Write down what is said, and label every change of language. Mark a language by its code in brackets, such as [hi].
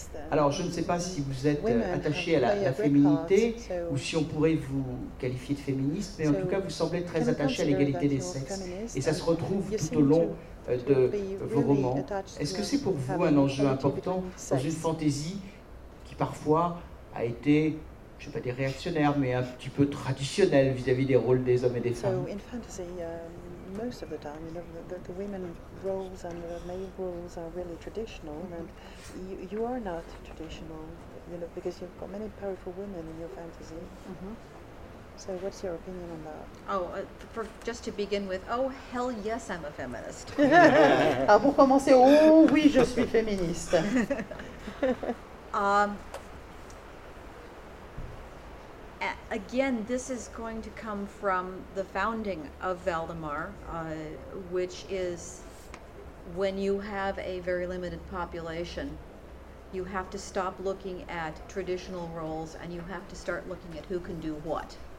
[fr] Alors, je ne sais pas si vous êtes attachée à la féminité ou si on pourrait vous qualifier de féministe, mais en tout cas, vous semblez très attachée à l'égalité des sexes. Et ça se retrouve tout au long de vos romans. Est-ce que c'est pour vous un enjeu important dans une fantaisie qui parfois a été... je ne vais pas dire réactionnaire, mais un petit peu traditionnel vis-à-vis des rôles des hommes et des femmes. [en] So in fantasy, most of the time, you know, the women roles and the male roles are really traditional, and you are not traditional, you know, because you've got many powerful women in your fantasy. Mm-hmm. So what's your opinion on that? Oh, for just to begin with, oh hell yes, I'm a feminist. [fr] Ah, pour commencer, oh oui, je suis féministe. [en] Again, this is going to come from the founding of Valdemar, which is when you have a very limited population, you have to stop looking at traditional roles and you have to start looking at who can do what.